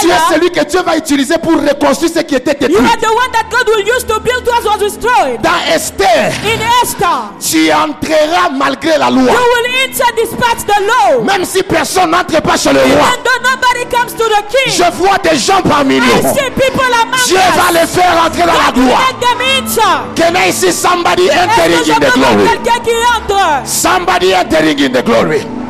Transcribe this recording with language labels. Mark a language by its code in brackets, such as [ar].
[fr] Tu es celui que Dieu va utiliser pour reconstruire ce qui était détruit. [en] You are the one that God will use to build what was destroyed. [fr] Dans Esther. [en] In Esther. [fr] Tu entreras malgré la loi. [en] You will enter despite the law. [fr] Même si personne n'entre pas chez le roi. [en] Even though nobody comes to the king. [fr] Je vois des gens parmi nous. [en] I see people among [fr] Dieu va les faire entrer dans la gloire. [en] Can I see somebody entering in the glory? Somebody entering in the glory.